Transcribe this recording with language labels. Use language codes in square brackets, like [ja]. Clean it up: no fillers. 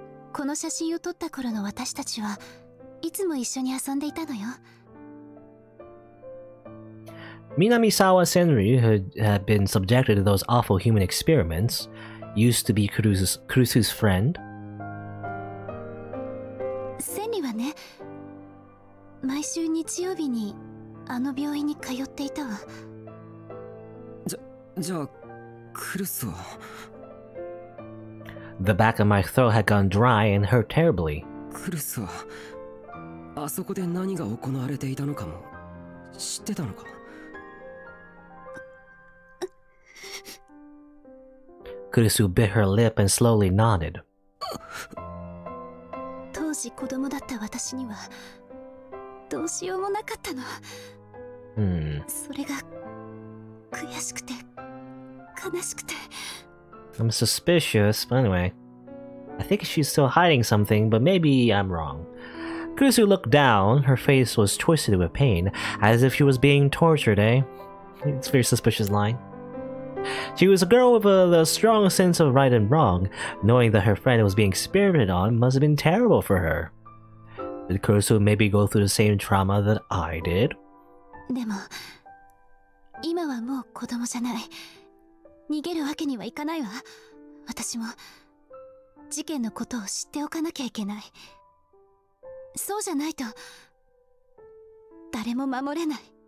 [ja] この写真を撮った頃の私たちはいつも一緒に遊んでいたのよ。 [en] Minamisawa Senri, who had been subjected to those awful human experiments, used to be Kurusu's friend. [ja] Senri はね、毎週日曜日にあの病院に通っていたわ。じゃあ、Kurusu は… [en] The back of my throat had gone dry and hurt terribly. [ja] Kurusu は、あそこで何が行われていたのかも、知ってたのか。 [en] Kurusu bit her lip and slowly nodded. [ja] 当時子供だった私には、どうしようもなかったの。それが、悔しくて、悲しくて。 [en] I'm suspicious, but anyway. I think she's still hiding something, but maybe I'm wrong. Kurusu looked down, her face was twisted with pain, as if she was being tortured, eh? It's a very suspicious line. She was a girl with a strong sense of right and wrong. Knowing that her friend was being experimented on must have been terrible for her. Did Kurusu maybe go through the same trauma that I did? [ja] Demo, 今はもう子供じゃない。逃げるわけにはいかないわ。私も事件のことを知っておかなきゃいけない。そうじゃないと誰も守れない。